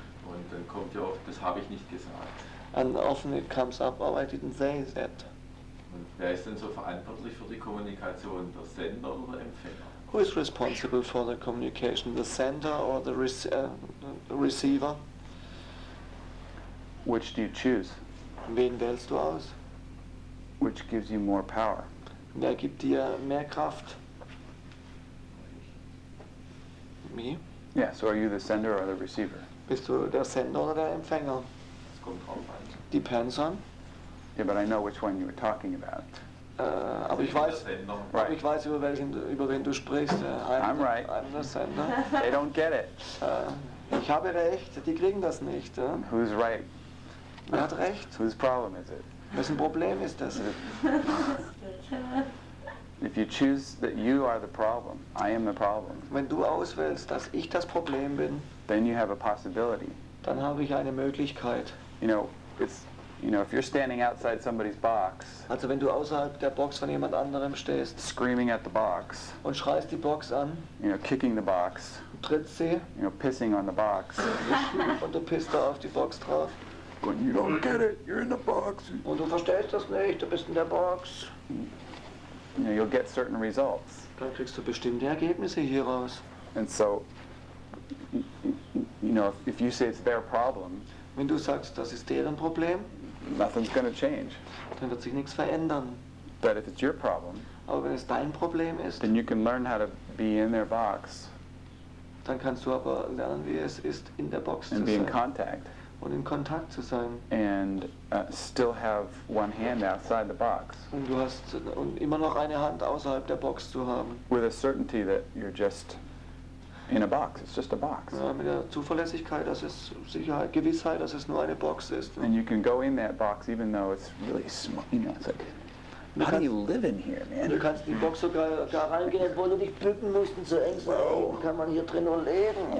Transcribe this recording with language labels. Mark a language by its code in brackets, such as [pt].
[de] und dann kommt ja oft, das habe ich nicht gesagt. [en] And often it comes up, oh, I didn't say that. [de] Und wer ist denn so verantwortlich für die Kommunikation, der Sender oder Empfänger? [en] Who is responsible for the communication, the sender or the receiver? Which do you choose? [de] Wen wählst du aus? [en] Which gives you more power? [de] Wer gibt dir mehr Kraft? [en] Me? Yeah, so are you the sender or the receiver? [de] Bist du der Sender oder der Empfänger? Das kommt drauf an. [en] Depends on. Yeah, but I know which one you were talking about. [de] Aber ich weiß, über wen du sprichst. [en] I'm right. I'm the sender. They don't get it. [de] Ich habe recht, die kriegen das nicht. [en] Who's right? [de] Wer hat recht? [en] Whose problem is it? [de] Wessen Problem ist das? [en] If you choose that you are the problem, I am the problem. [de] Wenn du auswählst, dass ich das Problem bin, [en] then you have a possibility. [de] Dann habe ich eine Möglichkeit. [en] You know, it's, you know, if you're standing outside somebody's box. [de] Also wenn du außerhalb der Box von jemand anderem stehst. [en] Screaming at the box. [de] Und schreist die Box an. [en] You know, kicking the box. [de] Trittst sie. [en] You know, pissing on the box. [de] Und du pisst da auf die Box drauf. [en] And you don't get it. You're in the box. [de] Und du verstehst das nicht. Du bist in der Box. [en] You know, you'll get certain results. [de] Dann kriegst du bestimmte Ergebnisse hier raus. [en] And so, you know, if you say it's their problem, [de] wenn du sagst, das ist deren Problem, [en] nothing's going to change. [de] Dann wird sich nichts verändern. [en] But if it's your problem, [de] aber wenn es dein Problem ist, [en] then you can learn how to be in their box. [de] Dann kannst du aber lernen, wie es ist, in der Box zu sein. [en] And be in contact. [de] Und in Kontakt zu sein. [en] And still have one hand outside the box. Und du hast und immer noch eine Hand außerhalb der Box zu haben. With a certainty that you're just in a box. It's just a box. [de] Ja, mit der Zuverlässigkeit, dass es Sicherheit, Gewissheit, dass es nur eine Box ist. [en] And you can go in that box even though it's really small. You know, it's like, how do you live in here, man? [de] Du kannst in die Box sogar gar reingehen, obwohl du dich bücken musst, so eng kann man hier drin nur leben.